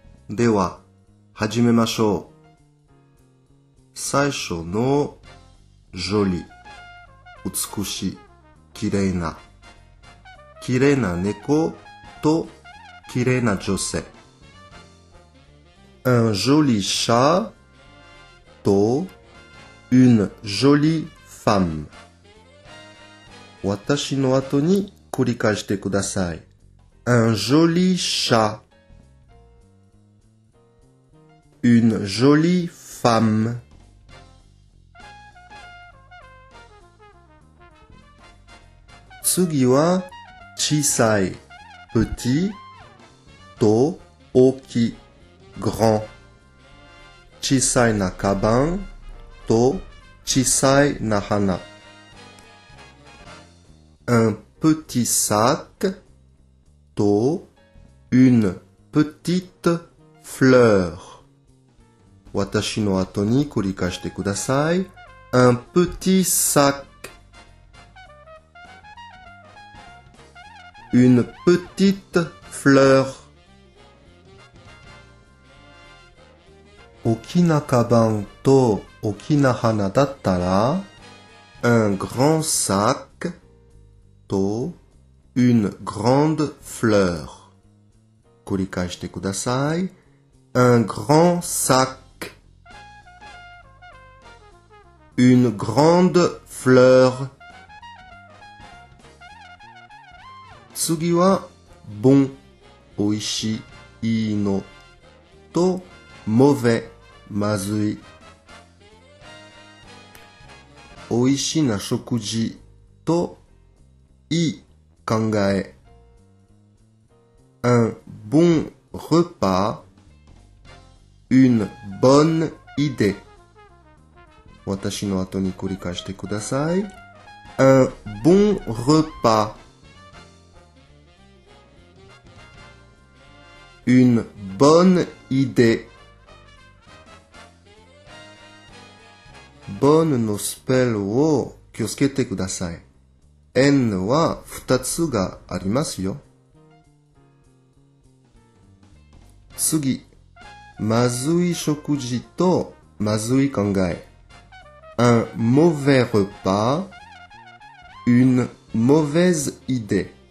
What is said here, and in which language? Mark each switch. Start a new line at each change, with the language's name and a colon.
Japanese: では、始めましょう。最初のジョリ、美しい、綺麗な。綺麗な猫と綺麗な女性。
French: Un joli chat と une jolie femme。
Japanese: 私の後に繰り返してください。
French: Un joli chat。 Une jolie femme.
Japanese: 次は小さい、petit と大きい、grand。小さいなカバンと小さいな花。
French: Un petit sac と une petite fleur。
Japanese: 私の後に繰り返してください。
French: Un petit sac. Une petite fleur.
Japanese: 大きなカバンと大きな花だったら
French: Un grand sac と une grande fleur.
Japanese: 繰り返してください。
French: Un grand sac. Une grande fleur.
Japanese: 次は、bon、おいしい、いいのと、mauvais、まずい。おいしいな食事と、いい考え。
French: un bon repas、une bonne idée。
Japanese: 私の後に繰り返してください。
French: un bon repas。 Une bonne idée.
Japanese: Bonne のスペルを気をつけてください。 N は2つがありますよ。次、まずい食事とまずい考え。
French: Un mauvais repas, une mauvaise idée.